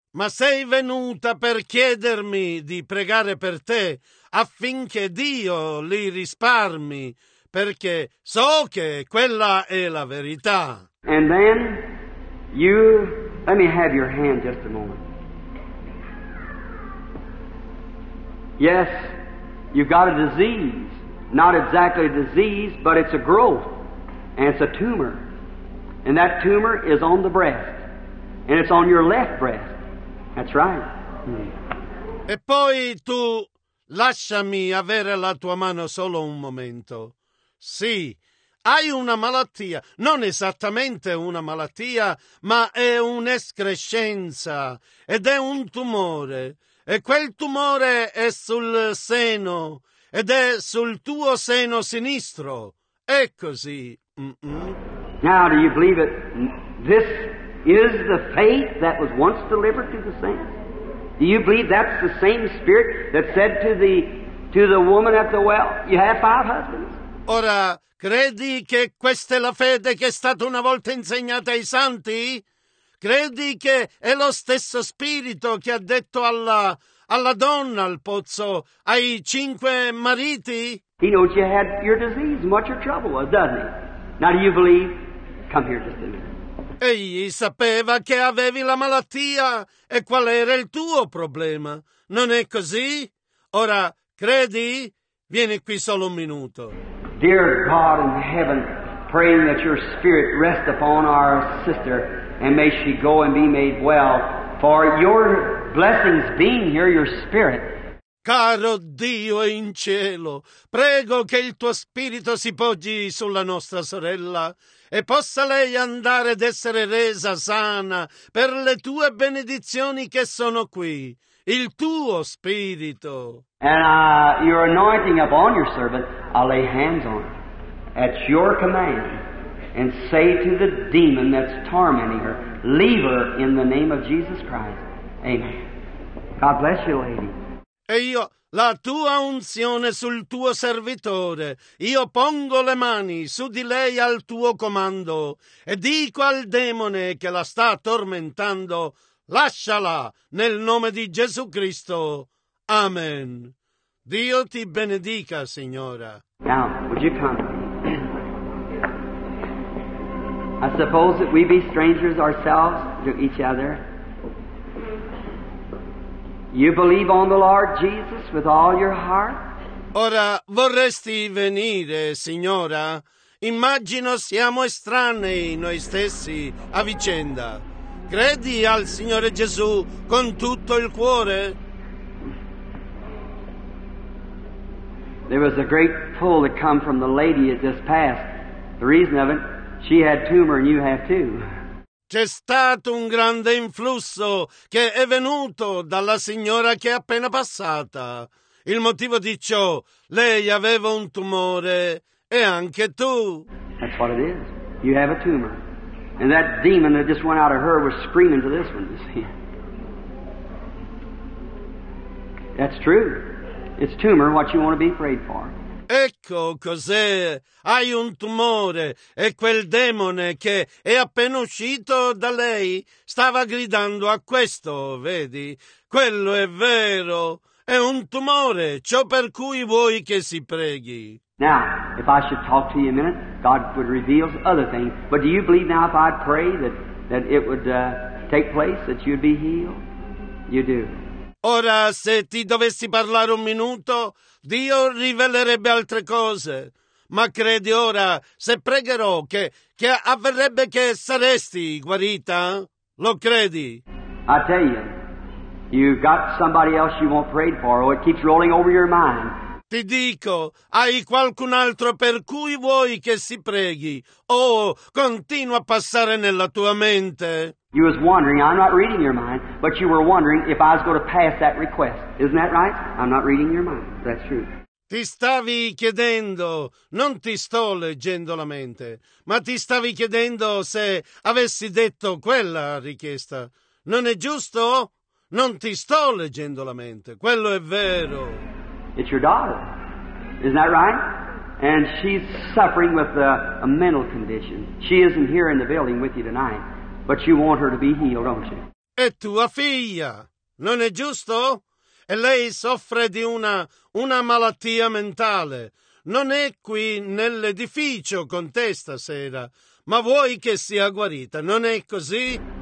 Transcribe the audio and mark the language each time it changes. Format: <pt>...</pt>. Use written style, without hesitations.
<it>Ma sei venuta per chiedermi di pregare per te affinché Dio li risparmi. Perché so che quella è la verità.</it> <en>And then you, let me have your hand just a moment. Yes, you've got a disease. Not exactly a disease, but it's a growth. And it's a tumor. And that tumor is on the breast. And it's on your left breast. That's right.</en> <it>E poi tu lasciami avere la tua mano solo un momento. Sì, hai una malattia, non esattamente una malattia, ma è un'escrescenza ed è un tumore. E quel tumore è sul seno ed è sul tuo seno sinistro. È così.</it> <en>Now, do you believe it? This is the faith that was once delivered to the saints? Do you believe that's the same spirit that said to the woman at the well, you have five husbands?</en> <it>Ora, credi che questa è la fede che è stata una volta insegnata ai santi? Credi che è lo stesso spirito che ha detto alla donna al pozzo, ai cinque mariti?</it> <en>He knows you had your disease and what your trouble was, doesn't he? Now do you believe? Come here just a minute.</en> <it>Egli sapeva che avevi la malattia e qual era il tuo problema. Non è così? Ora, credi? Vieni qui solo un minuto.</it> <en>Dear God in heaven, praying that your spirit rest upon our sister and may she go and be made well. For your blessings being here, your spirit.</en> <it>Caro Dio in cielo, prego che il tuo spirito si poggi sulla nostra sorella e possa lei andare ed essere resa sana per le tue benedizioni che sono qui, il tuo spirito.</it> <en>And your anointing upon your servant, I'll lay hands on at your command and say to the demon that's tormenting her, leave her in the name of Jesus Christ. Amen. God bless you, lady.</en> <it>E io, la tua unzione sul tuo servitore, io pongo le mani su di lei al tuo comando e dico al demone che la sta tormentando, lasciala nel nome di Gesù Cristo. Amen. Dio ti benedica, signora.</it> <en>Now, would you come? I suppose that we be strangers ourselves to each other. You believe on the Lord Jesus with all your heart?</en> <it>Ora, vorresti venire, signora? Immagino siamo estranei noi stessi a vicenda. Credi al Signore Gesù con tutto il cuore?</it> <en>There was a great pull that come from the lady at this past. The reason of it, she had tumor and you have too.</en> <it>C'è stato un grande influsso che è venuto dalla signora che è appena passata. Il motivo di ciò, lei aveva un tumore e anche tu.</it> <en>That's what it is. You have a tumor. And that demon that just went out of her was screaming to this one, you see. That's true. It's tumor what you want to be prayed for.</en> <it>Ecco cos'è, hai un tumore e quel demone che è appena uscito da lei stava gridando a questo, vedi? Quello è vero, è un tumore, ciò per cui vuoi che si preghi.</it> <en>Now, if I should talk to you a minute, God would reveal other things. But do you believe now if I pray that it would take place, that you'd be healed? You do.</en> <it>Ora, se ti dovessi parlare un minuto, Dio rivelerebbe altre cose. Ma credi ora, se pregherò, che avverrebbe che saresti guarita? Lo credi?</it> <en>I tell you, you've got somebody else you won't pray for, or it keeps rolling over your mind.</en> <it>Ti dico, hai qualcun altro per cui vuoi che si preghi, o continua a passare nella tua mente.</it> <en>You was wondering, I'm not reading your mind, but you were wondering if I was going to pass that request. Isn't that right? I'm not reading your mind. That's true.</en> <it>Ti stavi chiedendo, non ti sto leggendo la mente, ma ti stavi chiedendo se avessi detto quella richiesta. Non è giusto? Non ti sto leggendo la mente. Quello è vero.</it> <en>It's your daughter. Isn't that right? And she's suffering with a mental condition. She isn't here in the building with you tonight. But you want her to be healed, don't you?</en> <it>È tua figlia, non è giusto? E lei soffre di una malattia mentale. Non è qui nell'edificio con te stasera, ma vuoi che sia guarita, non è così?</it>